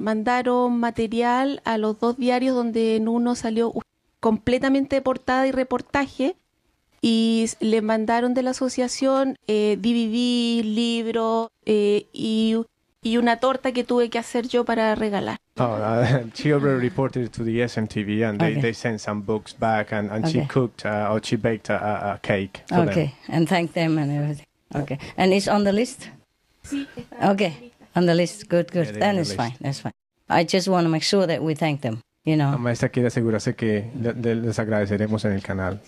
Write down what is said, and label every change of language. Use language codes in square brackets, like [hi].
[es] Mandaron material a los dos diarios donde en uno salió completamente de portada y reportaje. Y le mandaron de la asociación DVD, libro y una torta que tuve que hacer yo para regalar. [en] Oh, she already reported to the SMTV and they sent some books back and she cooked or she baked a cake for them. Okay, and thanked them and everything. Okay, and it's on the list? Okay, on the list, good. Yeah, then it's fine, that's fine. I just want to make sure that we thank them, you know. [es] La maestra quiere asegurarse que les agradeceremos en el canal.